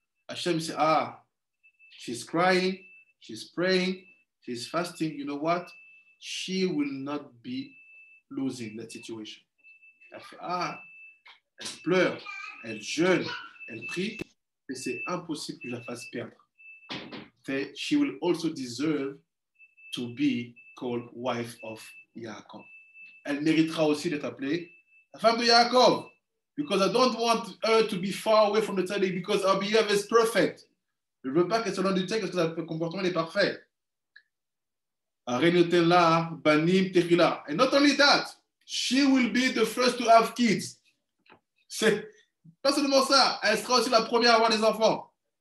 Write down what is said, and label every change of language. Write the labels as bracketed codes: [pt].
[en] Hachem said, ah, she's crying, she's praying, she's fasting, you know what? She will not be losing that situation. [fr] Elle fait, ah, elle pleure, elle jeûne, elle prie, mais c'est impossible que je la fasse perdre. [en] She will also deserve to be called wife of Yaakov. [fr] Elle méritera aussi d'être appelée la femme de Yaakov, [en] because I don't want her to be far away from the telling, because her behavior is perfect. [fr] Je ne veux pas qu'elle soit loin du telling, parce que son comportement est parfait. [he] Arenotela, banim, tehila. [en] And not only that, she will be the first to have kids. [fr] C'est pas seulement ça, elle sera aussi la première à avoir des enfants.